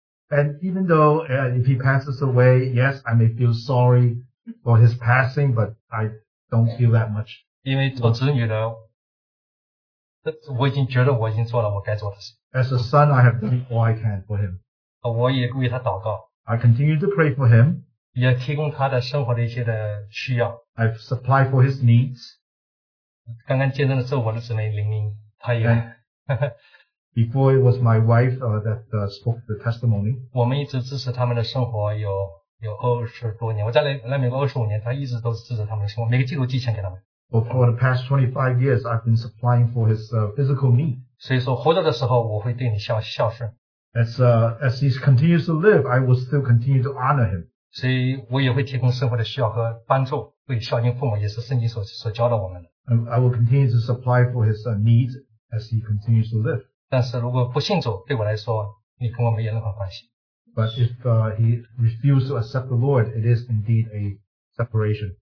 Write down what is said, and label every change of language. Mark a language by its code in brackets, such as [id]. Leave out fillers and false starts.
[en] And even though if he passes away, yes, I may feel sorry for his passing, but I don't feel that much. [zh] 因为做子女的,我已经觉得我已经做了我该做的事。 [en] As a son, I have done all I can for him. [zh] 我也为他祷告。 [en] I continue to pray for him. [zh] 也提供他的生活的一些的需要。 [en] I supply for his needs. [zh] 刚刚见证的是我的姊妹玲玲,她也... [en] Before it was my wife that spoke the testimony. [zh] 我们一直支持他们的生活有二十多年，我在那边25年，他一直都是支持他们的生活，每个季度寄钱给他们。 [en] For the past 25 years, I've been supplying for his physical need. [zh] 所以说活着的时候，我会对你孝顺。 [en] As he continues to live, I will still continue to honor him. [zh] 所以我也会提供生活的需要和帮助，会孝敬父母，也是圣经所教导我们的。 [en] I will continue to supply for his needs as he continues to live. [zh] 但是如果不信主，对我来说，你跟我没有任何关系。 [en] But if he refused to accept the Lord, it is indeed a separation.